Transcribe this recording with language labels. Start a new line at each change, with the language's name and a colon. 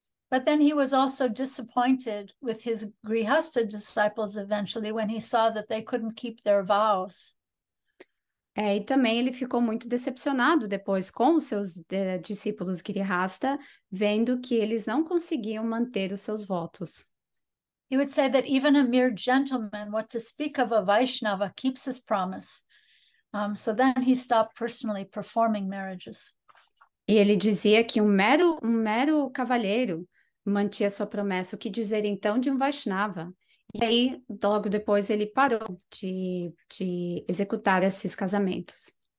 English: But then he was also disappointed with his grihastha disciples eventually when he saw that they couldn't keep their vows.
Portuguese: E também ele ficou muito decepcionado depois com os seus discípulos Grihastha, vendo que eles não conseguiam manter os seus votos.
English: He would say that even a mere gentleman, what to speak of a Vaishnava, keeps his promise. So then he stopped personally performing marriages.
Portuguese: E ele dizia que um mero cavalheiro mantinha sua promessa, o que dizer então de um Vaishnava? E aí, logo depois, ele parou de executar esses casamentos.